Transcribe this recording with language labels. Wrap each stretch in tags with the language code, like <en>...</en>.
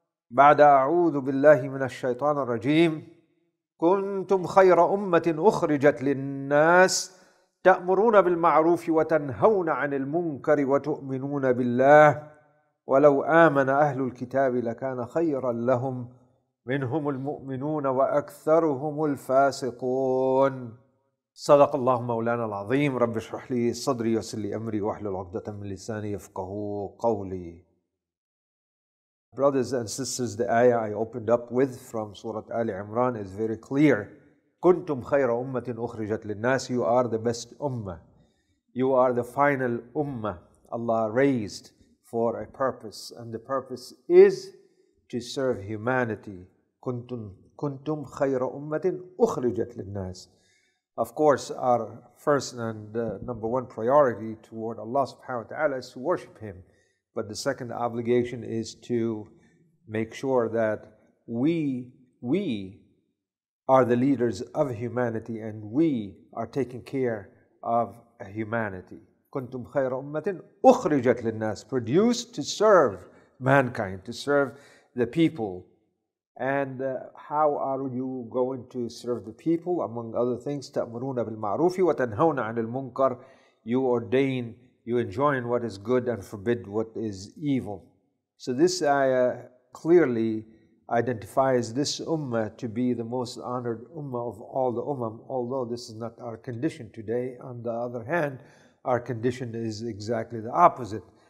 <ar>بعد أعوذ بالله من الشيطان الرجيم كنتم خير أمة أخرجت للناس تأمرون بالمعروف وتنهون عن المنكر وتؤمنون بالله ولو آمن أهل الكتاب لكان خيرا لهم منهم المؤمنون وأكثرهم الفاسقون صدق الله مولانا العظيم رب اشرح لي صدري يسر لي أمري واحلل عقدة من لساني يفقهوا قولي.</ar> <en>Brothers and sisters, the ayah I opened up with from Surah Ali Imran is very clear. Kuntum khayra ummatin ukhrijat linnas. You are the best ummah. You are the final ummah Allah raised for a purpose. And the purpose is to serve humanity.</en> <ar>Kuntum khayra ummatin ukhrijat linnas.</ar> <en>Of course, our first and number one priority toward Allah subhanahu wa ta'ala is to worship Him. But the second obligation is to make sure that we are the leaders of humanity and we are taking care of humanity. كنتم خير أمة أخرجت للناس, produced to serve mankind, to serve the people. And how are you going to serve the people?</en> <ar>Among other things, تأمرون بالمعروف وتنهون عن المنكر.</ar> <en>You ordain, you enjoin what is good and forbid what is evil. So this ayah clearly identifies this ummah to be the most honored ummah of all the ummah, although this is not our condition today. On the other hand, our condition is exactly the opposite.</en>